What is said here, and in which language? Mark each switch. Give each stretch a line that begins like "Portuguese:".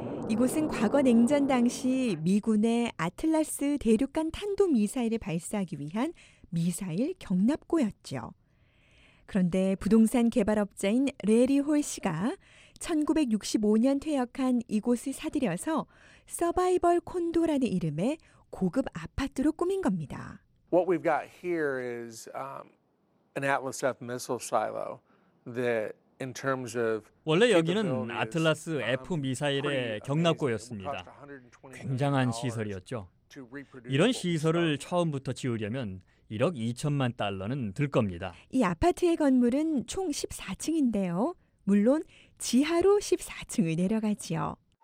Korean: 이곳은 과거 냉전 당시 미군의 아틀라스 대륙간 탄도미사일을 발사하기 위한 미사일 격납고였죠. 그런데 부동산 개발업자인 레리 홀 씨가 1965년 퇴역한 이곳을 사들여서 서바이벌 콘도라는 이름의 고급 아파트로 꾸민 겁니다.
English: What we've got here is an Atlas F missile silo that in terms of
Korean: 원래 여기는 아틀라스 F 미사일의 격납고였습니다. 굉장한 시설이었죠. 이런 시설을 처음부터 지으려면 1억 2천만 달러는 들 겁니다. 이 아파트의 건물은 총 14층인데요. 물론 지하로 14층을 내려가지요.